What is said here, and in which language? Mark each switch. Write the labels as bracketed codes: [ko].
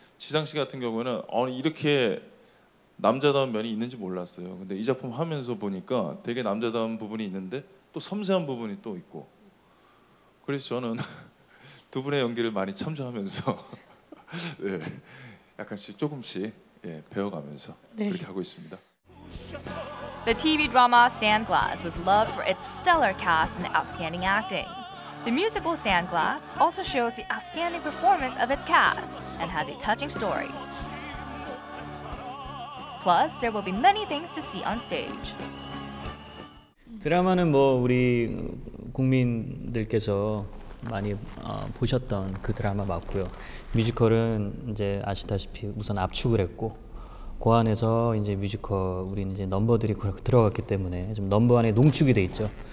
[ko] 지상 씨 같은 경우는 이렇게 남자다운 면이 있는지 몰랐어요. 근데 이 작품 하면서 보니까 되게 남자다운 부분이 있는데 또 섬세한 부분이 또 있고 그래서 저는 두 분의 연기를 많이 참조하면서 예. 약간씩 조금씩 예, 배워가면서 네. 그렇게 하고 있습니다. [en] The TV drama Sandglass was loved for its stellar cast and outstanding acting. The musical Sandglass also shows the outstanding performance of its cast and has a touching story. Plus, there will be many things to see on stage. [ko] 드라마는 뭐 우리 국민들께서 많이 보셨던 그 드라마 맞고요. 뮤지컬은 이제 아시다시피 우선 압축을 했고 그 안에서 이제 뮤지컬 우리는 이제 넘버들이 들어갔기 때문에 좀 넘버 안에 농축이 돼 있죠.